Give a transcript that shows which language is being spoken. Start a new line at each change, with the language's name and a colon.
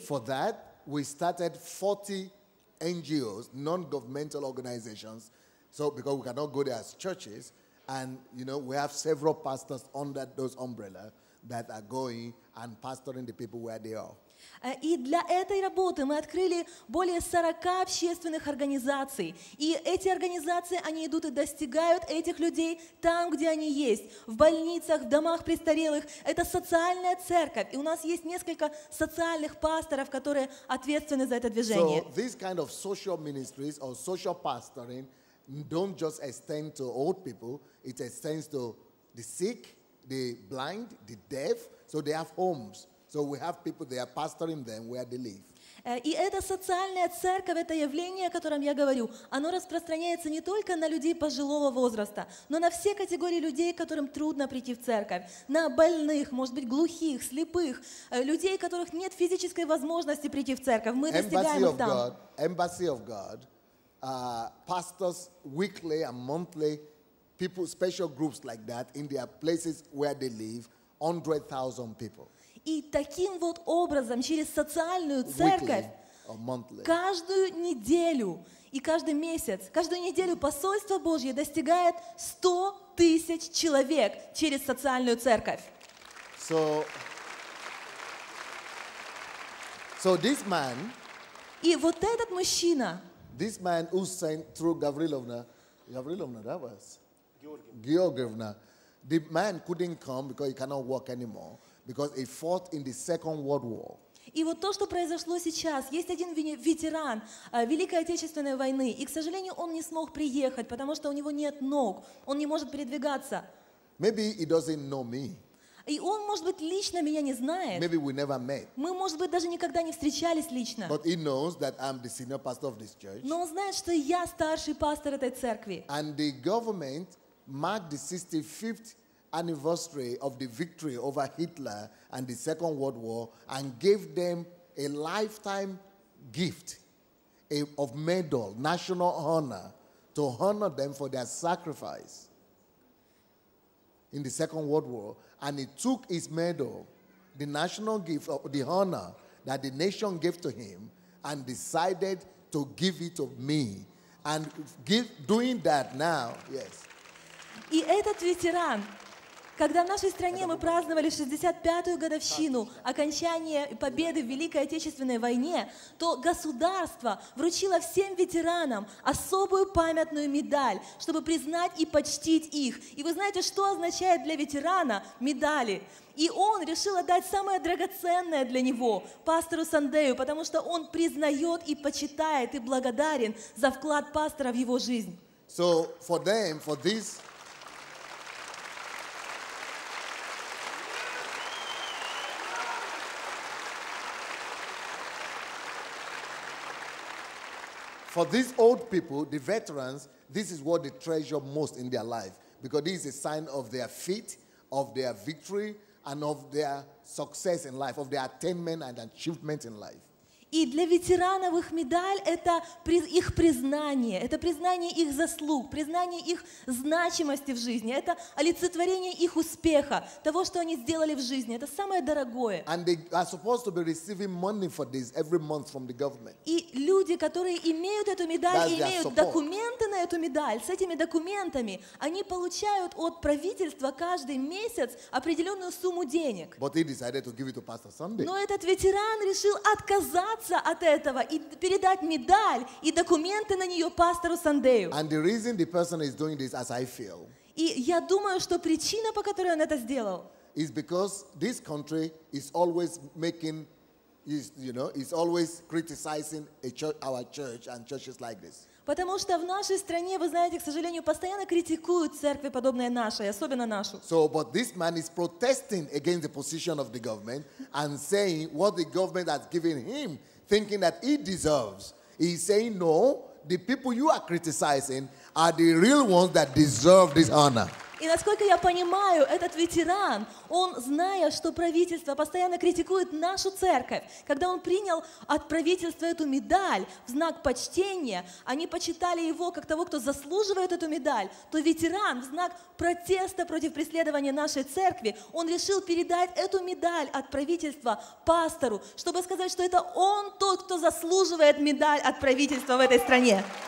English: For that, we started 40 NGOs, non-governmental organizations, so because we cannot go there as churches, and we have several pastors under those umbrella that are going and pastoring the people where they are.
Russian: И для этой работы мы открыли более 40 общественных организаций. И эти организации, они идут и достигают этих людей там, где они есть, в больницах, в домах престарелых. Это социальная церковь. И у нас есть несколько социальных пасторов, которые ответственны за это движение.
English: So these kind of social ministries or social pastoring don't just extend to old people. It extends to the sick, the blind, the deaf. So they have homes. So we have people, they are pastoring them where they live.
Russian: И эта социальная церковь, это явление, о котором я говорю, оно распространяется не только на людей пожилого возраста, но на все категории людей, которым трудно прийти в церковь. На больных, может быть, глухих, слепых, людей, которых нет физической возможности прийти в церковь. Мы достигаем их там.
English: Embassy of God, pastors weekly and monthly, people, special groups like that in their places where they live, 100,000 people.
Russian: И таким вот образом, через социальную церковь, каждую неделю и каждый месяц, каждую неделю посольство Божье достигает 100,000 человек через социальную церковь.
English: So this man.
Russian: И вот этот мужчина.
English: This man who sent through Gavrilovna, that was Georgievna. The man couldn't come because he cannot walk anymore because he fought in the Second World War.
Russian: И вот то, что произошло сейчас, есть один ветеран Великой Отечественной войны, и, к сожалению, он не смог приехать, потому что у него нет ног, он не может передвигаться.
English: Maybe he doesn't know me.
Russian: И он, может быть, лично меня не знает.
English: Maybe we never met.
Russian: Мы, может быть, даже никогда не встречались лично.
English: But he knows that I'm the senior pastor of this church.
Russian: Но он знает, что я старший пастор этой церкви.
English: And the government marked the 65th anniversary of the victory over Hitler and the Second World War and gave them a lifetime gift of medal, national honor, to honor them for their sacrifice in the Second World War. And he took his medal, the national gift, the honor that the nation gave to him, and decided to give it to me. And doing that now, yes.
Russian: И этот ветеран, когда в нашей стране мы праздновали 65-ю годовщину окончания победы в Великой Отечественной войне, то государство вручило всем ветеранам особую памятную медаль, чтобы признать и почтить их. И вы знаете, что означает для ветерана медали? И он решил отдать самое драгоценное для него, пастору Сандею, потому что он признает и почитает и благодарен за вклад пастора в его жизнь.
English: So for them, for this... For these old people, the veterans, this is what they treasure most in their life. Because this is a sign of their feat, of their victory, and of their success in life, of their attainment and achievement in life.
Russian: И для ветеранов их медаль – это их признание. Это признание их заслуг, признание их значимости в жизни. Это олицетворение их успеха, того, что они сделали в жизни. Это самое дорогое.
English: And they are supposed to be receiving money for this every month from the government.
Russian: И люди, которые имеют эту медаль, и имеют документы на эту медаль, с этими документами, они получают от правительства каждый месяц определенную сумму денег.
English: But he decided to give it to Pastor Sunday.
Russian: Но этот ветеран решил отказаться от этого и передать медаль и документы на нее пастору Сандею.
English: And the reason the person is doing this, as I feel,
Russian: и я думаю, что причина, по которой он это сделал,
English: is because this country is always making, is always criticizing our church and churches like this.
Russian: Потому что в нашей стране, вы знаете, к сожалению, постоянно критикуют церкви, подобные нашей, особенно нашу.
English: So, but this man is protesting against the position of the government and saying what the government has given him, thinking that he deserves. He's saying, no, the people you are criticizing are the real ones that deserve this honor.
Russian: И насколько я понимаю, этот ветеран, он, зная, что правительство постоянно критикует нашу церковь, когда он принял от правительства эту медаль в знак почтения, они почитали его как того, кто заслуживает эту медаль, то ветеран в знак протеста против преследования нашей церкви, он решил передать эту медаль от правительства пастору, чтобы сказать, что это он тот, кто заслуживает медаль от правительства в этой стране.